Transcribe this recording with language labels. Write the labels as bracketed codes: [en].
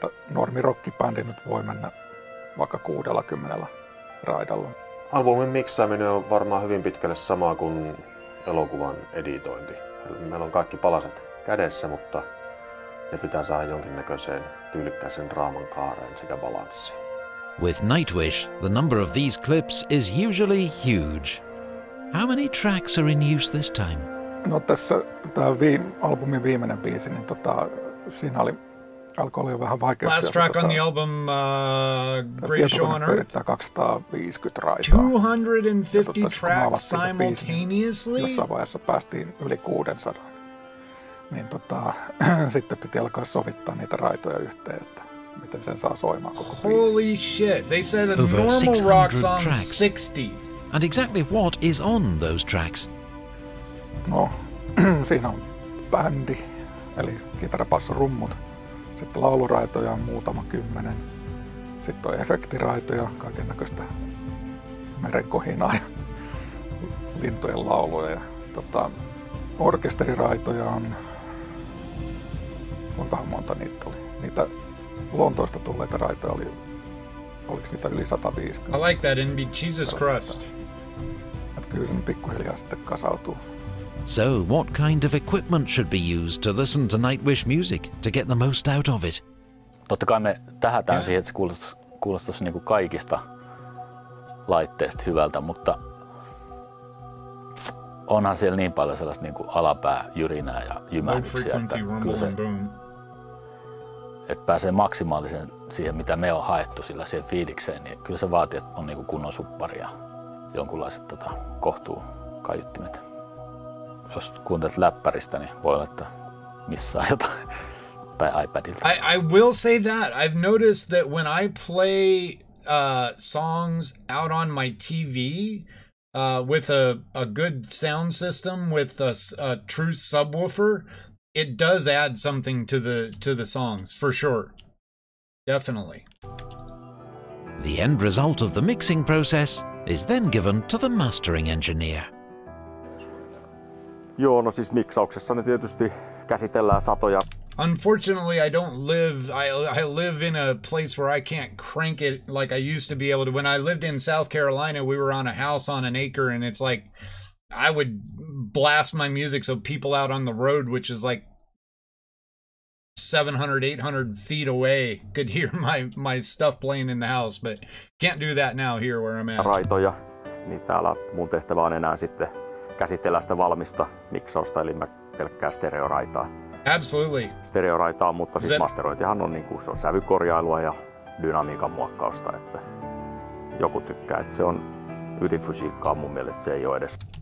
[fi] Normi rockibändi nyt voi mennä vaikka 60 raidalla. Albumin miksaaminen on varmaan hyvin pitkälle sama kuin elokuvan editointi. Meillä on kaikki palaset kädessä, mutta ne pitää saada jonkinnäköiseen tyylikkäisen draaman kaareen sekä balanssiin. [en] With Nightwish, the number of these clips is usually huge. How many tracks are in use this time? [fi] No tässä tämä albumin viimeinen biisi, niin siinä alkoi olla jo vähän vaikeuksia. [en] Last track on the album, Greatest Show on Earth. [fi] 250 raitaa. [en] 250 tracks simultaneously? [fi] Jossain vaiheessa päästiin yli 600. Niin sitten piti alkaa sovittaa niitä raitoja yhteen, että miten sen saa soimaan koko biisi. [en] Holy shit, they said a over normal rock song tracks. 60. And exactly what is on those tracks? [fi] No, siinä on bändi, eli kitara, basso, rummut. Sitten lauluraitoja on muutama kymmenen. Sitten on efektiraitoja, kaikennäköistä merenkohinaa ja lintujen lauluja. Ja, orkesteriraitoja on, kuinka monta niitä oli? Niitä Lontoista tulleita raitoja oli, oliko niitä yli 150? [en] I like that NB Jesus Christ. [fi] Kyllä sen pikkuhiljaa sitten kasautuu. [en] So, what kind of equipment should be used to listen to Nightwish music to get the most out of it? [fi] Totta kai me tähätään siihen, että se kuulostaisi niin kuin kaikista laitteista hyvältä, mutta onhan siellä niin paljon sellaista niin kuin alapääjyrinää ja jymähdyksiä, että kyllä se, että pääsee maksimaalisen siihen, mitä me on haettu sillä siihen fiilikseen, niin kyllä se vaatii, että on niin kuin kunnon supparia, jonkunlaiset kohtuu kaiuttimet. Jos kuuntelet läppäristä, niin voi olla, että missaa jotain. Tai iPadilla. [en] I will say that. I've noticed that when I play songs out on my TV with a good sound system, with a true subwoofer, it does add something to the songs, for sure. Definitely. The end result of the mixing process is then given to the mastering engineer. [fi] Joo, no siis miksauksessa ne tietysti käsitellään satoja. [en] Unfortunately, I don't live, I live in a place where I can't crank it like I used to be able to. When I lived in South Carolina, we were on a house on an acre, and it's like, I would blast my music so people out on the road, which is like 700, 800 feet away, could hear my stuff playing in the house, but can't do that now here where I'm at. [fi] Raitoja, niin täällä mun tehtävä on enää sitten käsitellä sitä valmista miksausta, eli mä pelkkää stereoraitaa. [en] Absolutely. [fi] Stereoraitaa, mutta siis masterointihan on, niin kuin, se on sävykorjailua ja dynamiikan muokkausta, että joku tykkää, että se on ydinfysiikkaa, mun mielestä se ei ole edes.